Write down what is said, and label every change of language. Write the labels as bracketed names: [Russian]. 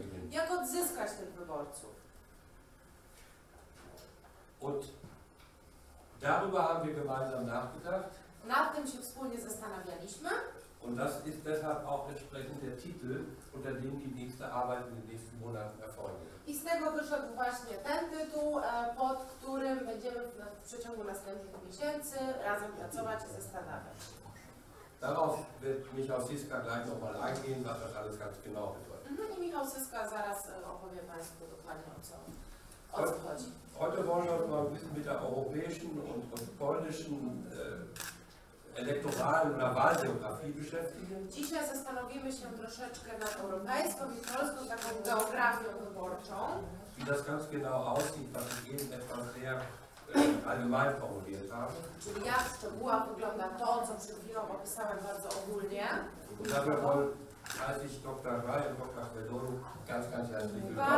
[Polish] Jak odzyskać tych wyborców? [German] Und darüber haben wir gemeinsam nachgedacht. [Polish] Nad tym się wspólnie zastanawialiśmy. [German] Und das ist deshalb auch entsprechend der Titel, unter dem die nächste Arbeit in den nächsten Monaten erfolgen. [Polish] I z tego wyszedł właśnie ten tytuł, pod którym będziemy w przeciągu następnych miesięcy razem pracować i zastanawiać. [German] Darauf wird Michał Syska gleich nochmal eingehen, was das alles ganz genau bedeutet. [Polish] I Michał Syska zaraz opowie Państwu dokładnie, o co chodzi. [German] Heute wollen wir uns mal ein bisschen mit der europäischen und polnischen elektoralen oder Wahlgeografie beschäftigen. [Polish] Dzisiaj zastanowimy się troszeczkę nad europejską i polską taką geografią wyborczą. [German] Wie das ganz genau aussieht, was ich eben etwas sehr allgemein formuliert haben. [Polish] Czyli jak w szczegółach wygląda to, co przed chwilą opisałem bardzo ogólnie. [German] Und dafür wollen, heiße ich Dr. Rai und Dr. Fedoru ganz, ganz herzlich willkommen.